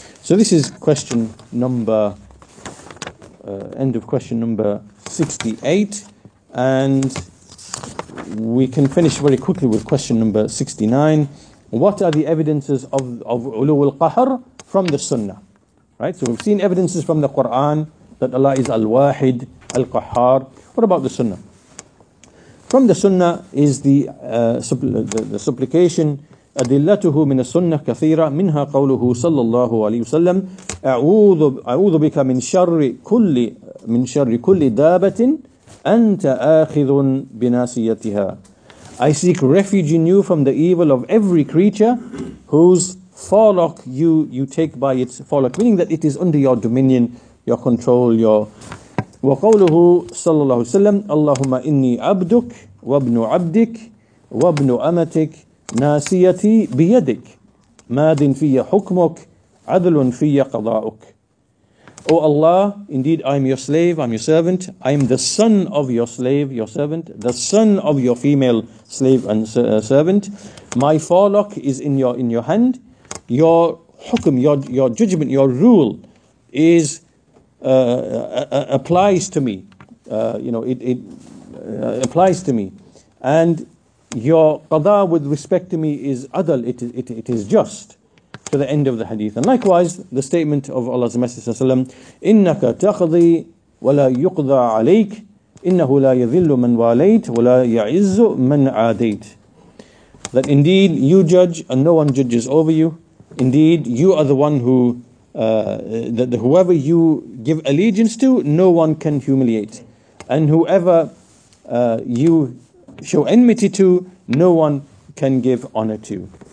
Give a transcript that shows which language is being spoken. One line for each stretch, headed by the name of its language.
English: So this is question number, end of question number 68, and we can finish very quickly with question number 69. What are the evidences of ulu al-qahr from the sunnah? Right, so we've seen evidences from the Quran that Allah is al-wahid, al-qahhar. What about the sunnah? From the sunnah is the supplication,
Arabic: أدلته من السنة كثيرة منها قوله صلى الله عليه وسلم أعوذ بك من شر كل دابة أنت آخذ بناسيتها.
English: I seek refuge in you from the evil of every creature whose forelock you take by its forelock, meaning that it is under your dominion, your control, your
Arabic: وقوله صلى الله عليه وسلم اللهم إني عبدك وابن عبدك وابن أمتك ناسيتي بيدك ماد في حكمك عدل في قضاءك.
English: O Allah, indeed I am your slave, I am your servant, I am the son of your slave, your servant, the son of your female slave and servant. My forelock is in your hand. Your hukum, your judgment, your rule is applies to me. It applies to me. And your qada with respect to me is adal, it is just. To the end of the hadith. And likewise, the statement of Allah's Messenger,
Arabic: إِنَّكَ تَقْضِي وَلَا يُقْضَى عَلَيْكَ إِنَّهُ لَا يَذِلُّ مَنْ وَالَيْتَ وَلَا يَعِزُّ مَنْ عَادَيْتَ.
English: That indeed you judge and no one judges over you. Indeed, you are the one who, that whoever you give allegiance to, no one can humiliate. And whoever you show enmity to, no one can give honor to.